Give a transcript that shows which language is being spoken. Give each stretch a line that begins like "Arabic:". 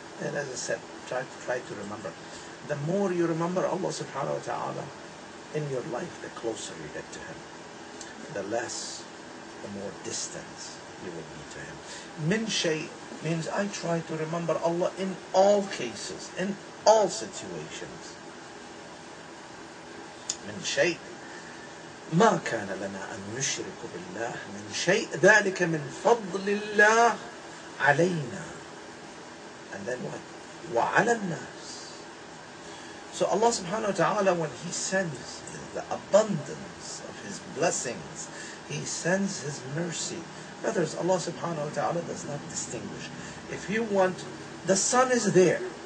English: And as I said, try to remember. The more you remember Allah subhanahu wa ta'ala in your life, the closer you get to Him. The less, the more distance you will be to Him. Min shay means I try to remember Allah in all cases, in all situations.
Arabic: من شيء ما كان لنا أن نشرك بالله من شيء ذلك من فضل الله علينا.
English: And then what?
Arabic: وعلى الناس.
English: So Allah subhanahu wa ta'ala, when He sends the abundance of His blessings, He sends His mercy. Brothers, Allah subhanahu wa ta'ala does not distinguish. If you want, the sun is there.